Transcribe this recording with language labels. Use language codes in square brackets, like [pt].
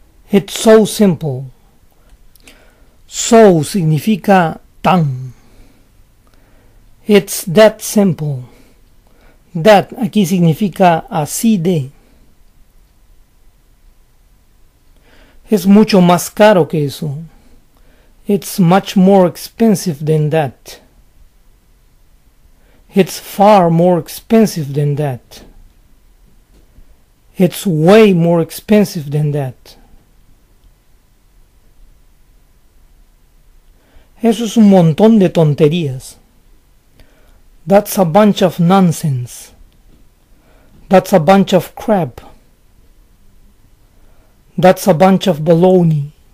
[en] It's so simple. So [es] significa tan. [en] It's that simple. [es] That, aquí significa así de. Es mucho más caro que eso. [en] It's much more expensive than that. It's far more expensive than that. It's way more expensive than that. [es] Eso es un montón de tonterías. [en] That's a bunch of nonsense. That's a bunch of crap. That's a bunch of baloney.